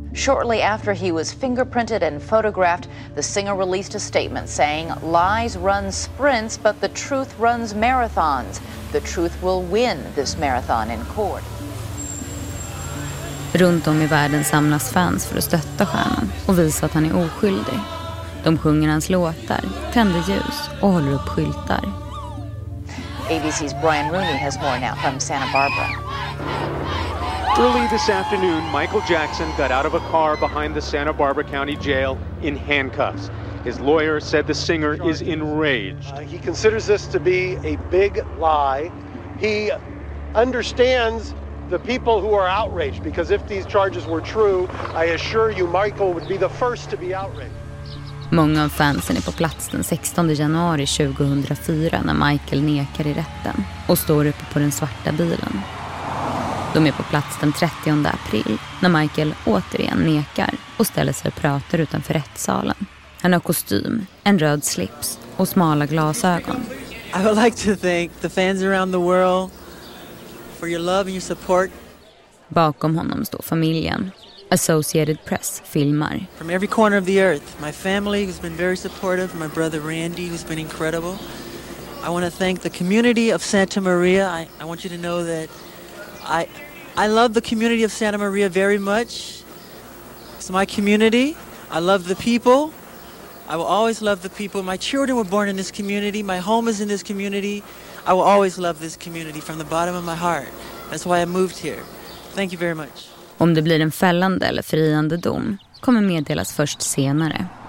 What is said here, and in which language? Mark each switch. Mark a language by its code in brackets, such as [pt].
[en] Shortly after he was fingerprinted and photographed, the singer released a statement saying, "Lies run sprints, but the truth runs marathons. The truth will win this marathon in court." [sv] Runt om i världen samlas fans för att stötta stjärnan och visa att han är oskyldig. De sjunger hans låtar, tänder ljus och håller upp skyltar. [en] ABC's Brian Rooney has more now from Santa Barbara. Early this afternoon, Michael Jackson got out of a car behind the Santa Barbara County Jail in handcuffs. His lawyer said the singer is enraged. He considers this to be a big lie. He understands the people who are outraged, because if these charges were true, I assure you Michael would be the first to be outraged. [sv] Många av fansen är på plats den 16 januari 2004 när Michael nekar i rätten och står uppe på den svarta bilen. De är på plats den 30 april när Michael återigen nekar och ställer sig och pratar utanför rättssalen. Han har kostym, en röd slips och smala glasögon. [en] I would like to thank the fans around the world for your love and your support. [sv] Bakom honom står familjen. Associated Press filmar. [en] From every corner of the earth, my family has been very supportive, my brother Randy who's been incredible. I want to thank the community of Santa Maria. I want you to know that I love the community of Santa Maria very much. It's my community. I love the people. I will always love the people. My children were born in this community. My home is in this community. I will always love this community from the bottom of my heart. That's why I moved here. Thank you very much. [sv] Om det blir en fällande eller friande dom kommer meddelas först senare.